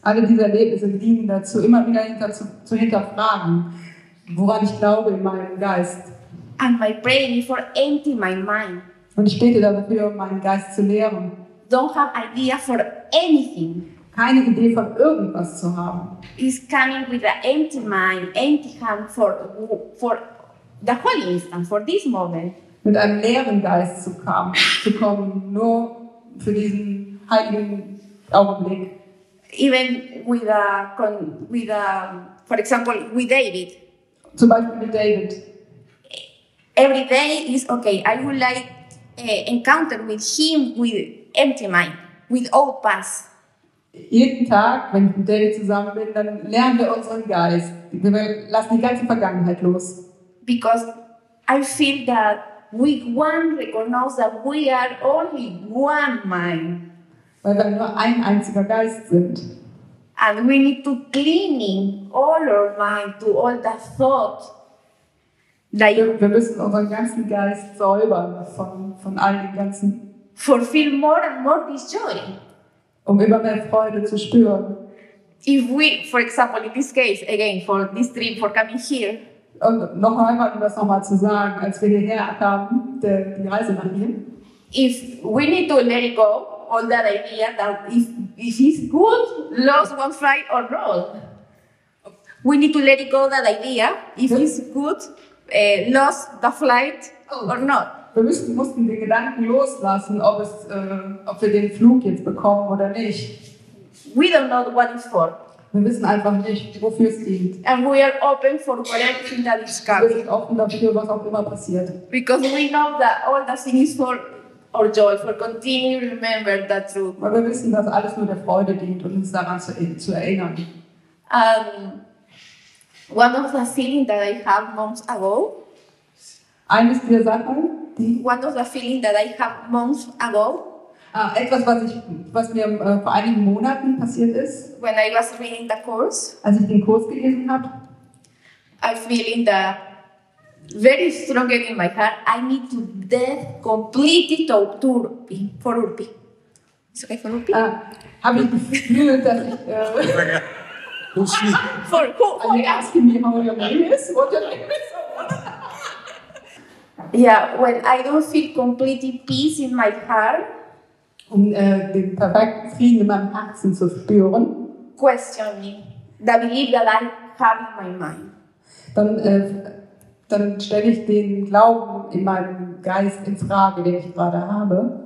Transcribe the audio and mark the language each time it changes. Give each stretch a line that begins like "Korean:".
German: Alle diese Erlebnisse dienen dazu, immer wieder zu hinterfragen, woran ich glaube in meinem Geist.
English: And my prayer is for empty my mind.
German: Und ich bete dafür, meinen Geist zu leeren.
English: Don't have idea for anything.
German: Keine Idee von irgendwas zu haben.
English: It's coming with an empty mind, empty hand for the holy instant, for this moment.
German: Mit einem leeren Geist zu kommen, nur für diesen heiligen Augenblick.
English: Even with a, for example, with David.
German: Zum Beispiel mit David.
English: Every day is okay. I would like encounter with him with empty mind, with old past.
German: Jeden Tag, wenn ich mit David zusammen bin, dann lernen wir unseren Geist. Wir lassen die ganze Vergangenheit los.
English: Because I feel that we one recognize that we are only one mind.
German: Weil wir nur ein einziger Geist sind.
English: And we need to clean all our mind to all the thoughts.
German: Wir müssen unseren ganzen Geist säubern von all den ganzen.
English: Fulfill more and more this joy.
German: Um immer mehr Freude zu spüren.
English: If we, for example, in this case, again, for this dream, for coming here.
German: Und noch einmal, um das nochmal zu sagen, als wir hierher kamen, die Reise nach hier.
English: If we need to let go on that idea that if it's good, lost one flight or roll. We need to let go that idea if it's good. Lost the flight or not?
German: Wir mussten den Gedanken loslassen, ob wir den Flug jetzt bekommen oder nicht.
English: We don't know what it's for.
German: Wir wissen einfach nicht, wofür es dient.
English: And we are open for whatever that is coming.
German: Wir sind offen dafür, was auch immer passiert.
English: Because we know that all the things is for our joy, for continuing to remember the truth.
German: Weil wir wissen, dass alles nur der Freude dient und uns daran zu erinnern.
English: One of the feelings that I have months ago.
German: Eines dieser Sachen, die.
English: One of the feelings that I have months ago.
German: Etwas, was mir vor einigen Monaten passiert ist.
English: When I was reading the course.
German: Als ich den Kurs gelesen habe.
English: I feel in the very strong in my heart. I need to death completely to Urpi. For Urpi. Is okay for Urpi?
German: Habe ich gefühlt, dass ich...
English: Who's she? For who? Are you asking me how your name is? What your name is? Yeah, when I don't feel completely peace in my heart.
German: Um den perfekten Frieden in meinem Herzen zu spüren.
English: Question me. The belief that I have in my mind.
German: Dann stelle ich den Glauben in meinem Geist in Frage, den ich gerade habe.